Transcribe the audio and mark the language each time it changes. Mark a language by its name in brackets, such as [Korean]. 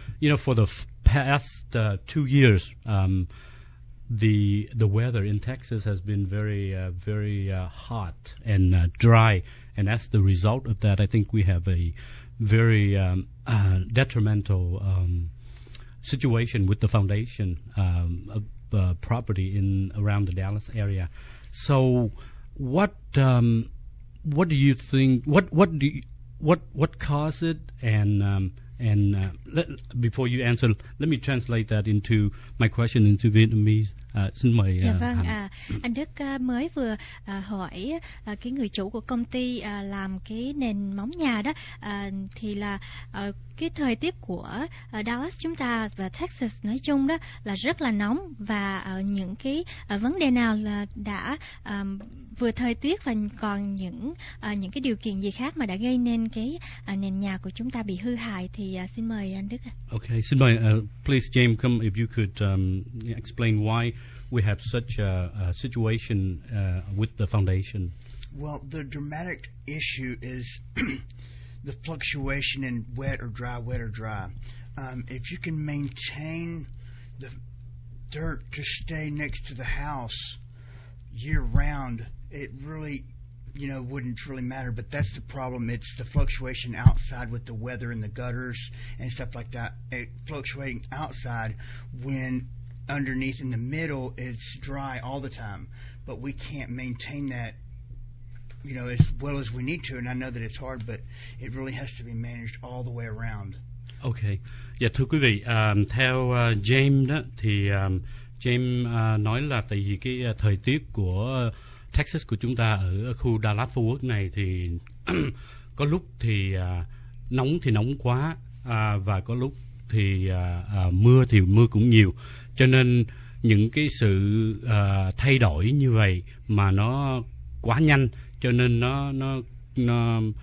[English] You know, for the past 2 years, the weather in Texas has been very hot and dry, and as the result of that, I think we have a very detrimental situation with the foundation property in around the Dallas area. So what do you think, what caused it, and before you answer, let me translate that into my question into Vietnamese. [Vietnamese] Xin mời. Dạ vâng, anh Đức mới vừa hỏi cái người chủ của công ty làm cái nền móng nhà đó, thì là cái thời tiết của Dallas chúng ta và Texas nói chung đó là rất là nóng, và những cái vấn đề nào là đã vừa thời tiết và còn những cái điều kiện gì khác mà đã gây nên cái nền nhà của chúng ta bị hư hại, thì xin mời anh Đức. [English] Okay, [Vietnamese] xin mời, [English] please James, come if you could explain why we have such a situation with the foundation. Well, the dramatic issue is the fluctuation in wet or dry. If you can maintain the dirt to stay next to the house year round, it really, you know, wouldn't really matter. But that's the problem. It's the fluctuation outside with the weather and the gutters and stuff like that. It fluctuating outside when underneath in the middle it's dry all the time, but we can't maintain that, you know, as well as we need to. And I know that it's hard, but it really has to be managed all the way around. [Vietnamese] Okay, yeah, thưa quý vị, theo James đó, thì James nói là tại vì cái thời tiết của Texas của chúng ta ở khu Dallas Fort Worth này thì có lúc thì nóng quá và có lúc thì mưa cũng nhiều, cho nên những cái sự thay đổi như vậy mà nó quá nhanh, cho nên nó